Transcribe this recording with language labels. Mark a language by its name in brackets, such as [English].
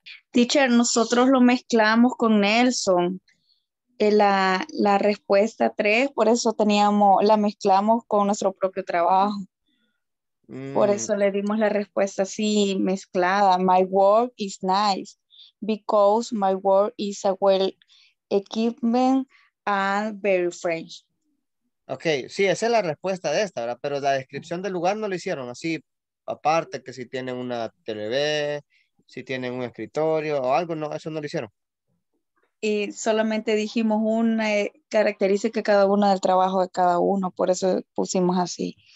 [Spanish] Teacher, nosotros lo mezclamos con Nelson, la respuesta 3, por eso la mezclamos con nuestro propio trabajo. Por eso le dimos la respuesta así, mezclada. [English] My work is nice, because my work is a well equipment and very French. [Spanish] Ok, sí, esa es la respuesta de esta, ¿verdad? Pero la descripción del lugar no lo hicieron así, aparte que si tiene una TV, si tienen un escritorio o algo, no, eso no lo hicieron. Y solamente dijimos una característica cada uno del trabajo de cada uno, por eso pusimos así.